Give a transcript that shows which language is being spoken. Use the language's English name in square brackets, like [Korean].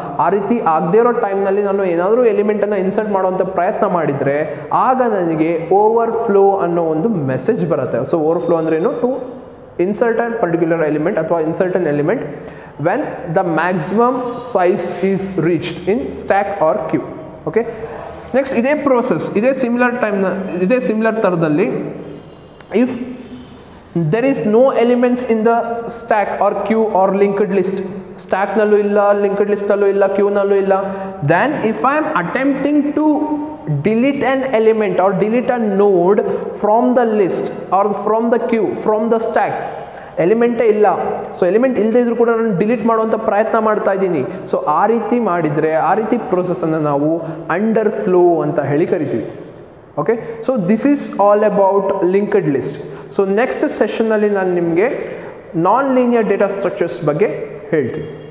[Kannada] ಆ ರೀತಿ ಆಗದೇ ಇರೋ ಟೈಮ್ನಲ್ಲಿ ನಾನು ಏನಾದರೂ ಎಲಿಮೆಂಟನ್ನು ಇನ್ಸರ್ಟ್ ಮಾಡುವಂಥ ಪ್ರಯತ್ನ ಮಾಡಿದರೆ ಆಗ ನನಗೆ ಓವರ್ ಫ್ಲೋ ಅನ್ನೋ ಒಂದು ಮೆಸೇಜ್ ಬರುತ್ತೆ. ಸೊ ಓವರ್ ಫ್ಲೋ ಅಂದ್ರೆ ಏನು, [English] To insert an particular element ಅಥವಾ insert an element when the maximum size is reached in stack or queue. [Kannada] Okay, next ಇದೇ ಪ್ರೋಸೆಸ್, ಇದೇ ಸಿಮಿಲರ್ ಥರದಲ್ಲಿ, [English] if there is no elements in the stack or queue or linked list, [Kannada] stack nallu illa, linked list nallu illa, [English] queue nallu illa, then if I am attempting to delete an element or delete a node from the list or from the queue, from the stack, [Kannada] element ಇಲ್ಲ, so element ಇಲ್ಲದೇ ಇದ್ರೂ ಕೂಡ ನಾನು delete ಮಾಡುವಂಥ ಪ್ರಯತ್ನ ಮಾಡ್ತಾ ಇದ್ದೀನಿ. So ಆ ರೀತಿ ಮಾಡಿದರೆ ಆ ರೀತಿ ಪ್ರೋಸೆಸನ್ನು ನಾವು ಅಂಡರ್ ಫ್ಲೋ ಅಂತ ಹೇಳಿ ಕರಿತೀವಿ. [English] Okay, so this is all about linked list. So next [Kannada] ಸೆಷನ್ನಲ್ಲಿ ನಾನು ನಿಮಗೆ ನಾನ್ ಲೀನಿಯರ್ ಡೇಟಾ ಸ್ಟ್ರಕ್ಚರ್ಸ್ ಬಗ್ಗೆ ಹೇಳ್ತೀನಿ.